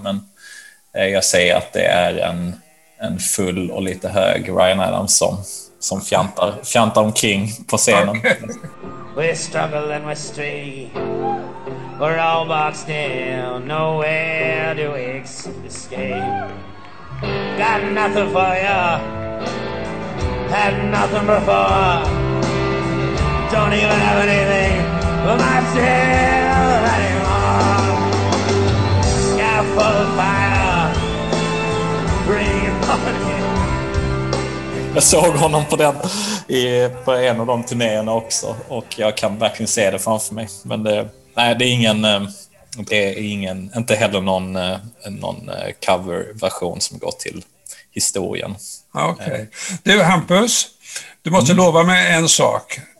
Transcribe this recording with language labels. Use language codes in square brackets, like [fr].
[sv] Men jag säger att det är en full och lite hög Ryan Adams som fjantar omkring på scenen. [en] Okay. We're struggling with street. We're all boxed in, nowhere to escape. Got nothing for ya, had nothing before. Don't even have anything for myself anymore. Sky full of fire, bring it on in. [sv] Jag såg honom på en av de turnéerna också, och jag kan verkligen se det framför mig, men det... Nej, det är ingen, inte heller någon coverversion som går till historien. Okej. [en] Okay. [sv] Du, Hampus, du måste lova mig en sak.